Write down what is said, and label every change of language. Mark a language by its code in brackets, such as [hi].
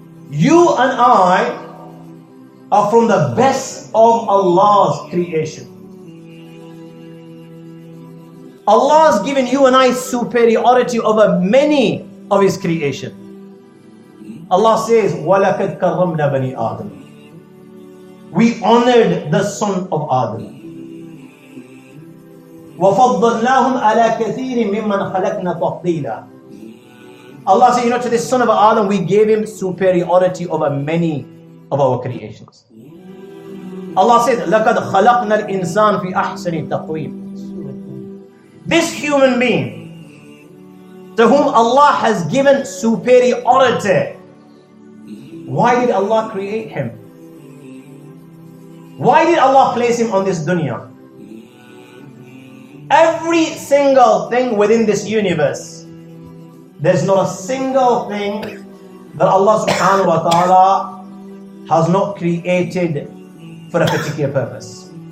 [en] You and I are from the best of Allah's creation. Allah has given you and I superiority over many of His creation. Allah says, [ar] وَلَكَدْ كَرَّمْنَا بَنِي آدَمِ. [en] We honored the son of Adam. [ar] وَفَضَّلْنَاهُمْ عَلَىٰ كَثِيرٍ مِّمَّنْ خَلَقْنَا تَفْضِيلًا. [en] Allah said, you know, to this son of Adam, we gave him superiority over many of our creations. Allah says, [ar] لَكَدْ خَلَقْنَا الْإِنسَانِ فِي أَحْسَنِ تَقْوِيمٍ. [en] This human being to whom Allah has given superiority, why did Allah create him? Why did Allah place him on this dunya? Every single thing within this universe, there's not a single thing that Allah subhanahu wa ta'ala has not created for a particular purpose.